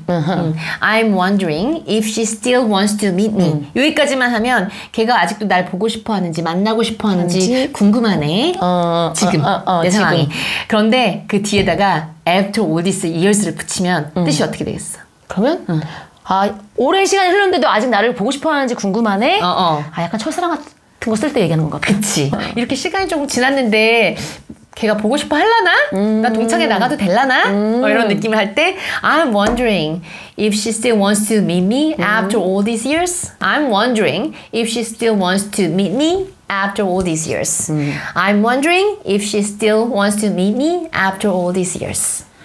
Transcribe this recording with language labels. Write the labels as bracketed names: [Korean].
[English] I'm wondering if she still wants to meet me. [Korean] 여기까지만 하면 걔가 아직도 날 보고 싶어 하는지 만나고 싶어 하는지 궁금하네. 지금 내 상황이. 그런데 그 뒤에다가 [English] after all these years [Korean] 를 붙이면 뜻이 어떻게 되겠어? 그러면? 아, 오랜 시간이 흘렀는데도 아직 나를 보고 싶어 하는지 궁금하네? 아, 약간 첫사랑 같은 거 쓸 때 얘기하는 건가? 그치. 이렇게 시간이 조금 지났는데 걔가 보고 싶어 할라나? 나 동창회 나가도 될라나? 이런 느낌을 할 때 [English] I'm wondering if she still wants to meet me after all these years. I'm wondering if she still wants to meet me after all these years. I'm wondering if she still wants to meet me after all these years.